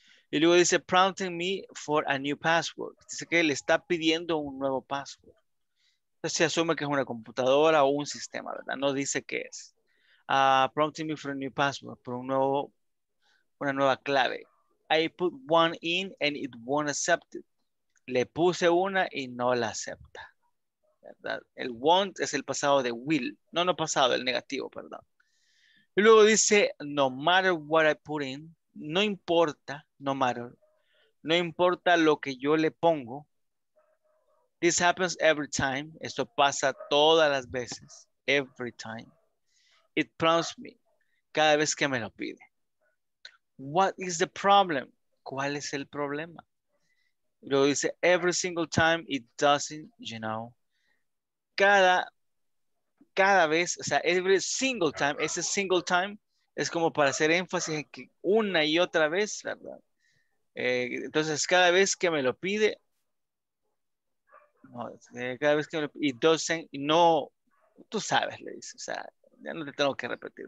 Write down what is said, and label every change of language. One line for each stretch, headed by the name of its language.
Spanish: Y luego dice,
English: prompting me for a new password.
Spanish: Dice que le está pidiendo un nuevo password. Entonces se asume que es una computadora o un sistema, ¿verdad? No dice qué es.
English: Prompting me for a new password,
Spanish: por un nuevo, una nueva clave.
English: I put one in and it won't accept it.
Spanish: Le puse una y no la acepta, ¿verdad? El won't es el pasado de will. No, no pasado, el negativo, perdón. Y luego dice,
English: no matter what I put in,
Spanish: no importa,
English: no matter,
Spanish: no importa lo que yo le pongo.
English: This happens every time,
Spanish: esto pasa todas las veces,
English: every time. It prompts me,
Spanish: cada vez que me lo pide.
English: What is the problem?
Spanish: ¿Cuál es el problema? Y luego dice,
English: every single time it doesn't, you know.
Spanish: Cada vez, o sea,
English: every single time,
Spanish: ese single time es como para hacer énfasis en que una y otra vez, ¿verdad? Entonces, cada vez que me lo pide, no, cada vez que me lo pide,
English: it doesn't,
Spanish: no, tú sabes, le dice, o sea, ya no te tengo que repetir.